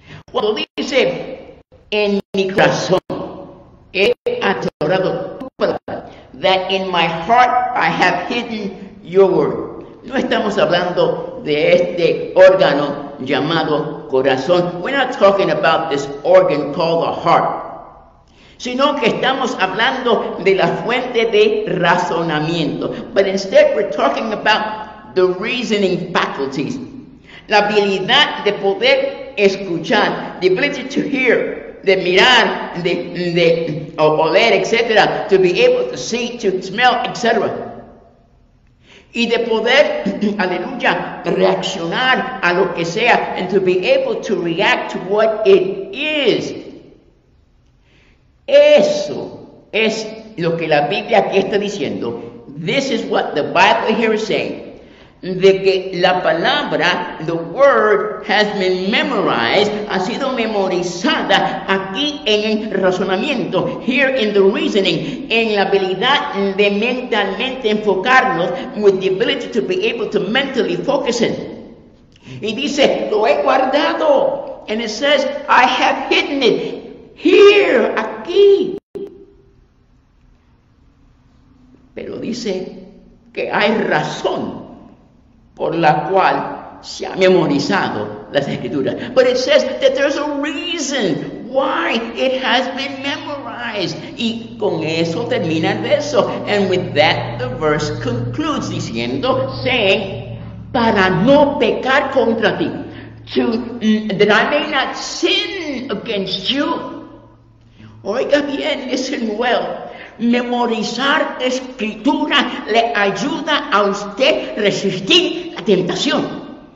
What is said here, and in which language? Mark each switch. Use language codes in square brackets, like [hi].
[es] Cuando dice, en mi corazón he atorado tu palabra, [en] that in my heart I have hidden your word. [es] No estamos hablando de este órgano llamado corazón. [en] We're not talking about this organ called the heart. [es] Sino que estamos hablando de la fuente de razonamiento. [en] But instead we're talking about the reasoning faculties. [es] La habilidad de poder escuchar, [en] the ability to hear, [es] de mirar, de oler, etc. [en] To be able to see, to smell, etc. [es] Y de poder, aleluya, reaccionar a lo que sea, [en] and to be able to react to what it is. [es] Eso es lo que la Biblia aquí está diciendo. [en] This is what the Bible here is saying. [es] De que la palabra, [en] the word, has been memorized, [es] ha sido memorizada, aquí en el razonamiento, [en] here in the reasoning, [es] en la habilidad de mentalmente enfocarnos, [en] with the ability to be able to mentally focus in. [es] Y dice, lo he guardado. [en] And it says, I have hidden it. Here, [es] aquí. Pero dice que hay razón por la cual se ha memorizado las escrituras. [en] But it says that there's a reason why it has been memorized. [es] Y con eso termina el verso. [en] And with that, the verse concludes [es] diciendo, [en] saying, [es] para no pecar contra ti, [en] that I may not sin against you. [es] Oiga bien, [en] listen well. [es] Memorizar escritura le ayuda a usted resistir la tentación.